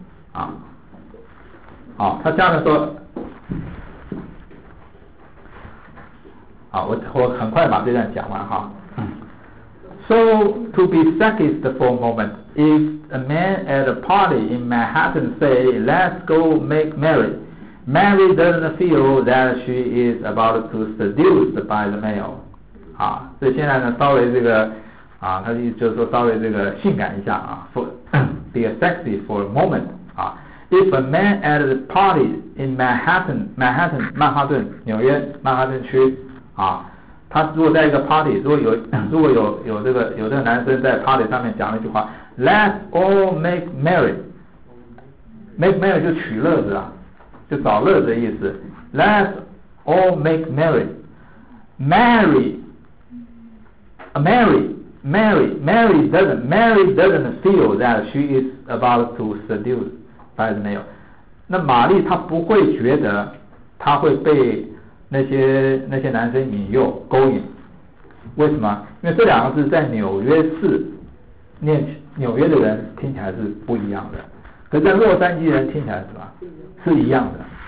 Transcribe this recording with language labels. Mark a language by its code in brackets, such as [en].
[zh] 啊，好，他下面说，好，我很快把这段讲完哈。 [en] So to be sexist for a moment, if a man at a party in Manhattan say, "Let's go make merry," Mary doesn't feel that she is about to seduced by the male. [zh] 啊，所以现在呢，稍微这个啊，他就是说稍微这个性感一下啊 ， [en] be a sexy for a moment [zh] 啊。 [en] If a man at a party in Manhattan, [zh] 曼哈顿，纽约，曼哈顿区，啊，他如果在一个 party， 如果有这个男生在 party 上面讲了一句话 ， [en] Let's all make merry， [zh] make merry 就取乐子啊，就找乐子的意思 ，Let's all make merry，marry，marry [en] Mary doesn't feel that she is about to seduce by the male. [zh] 那玛丽她不会觉得她会被那些男生引诱勾引。为什么？因为这两个字在纽约市念纽约的人听起来是不一样的，可是在洛杉矶人听起来是什么？是一样的。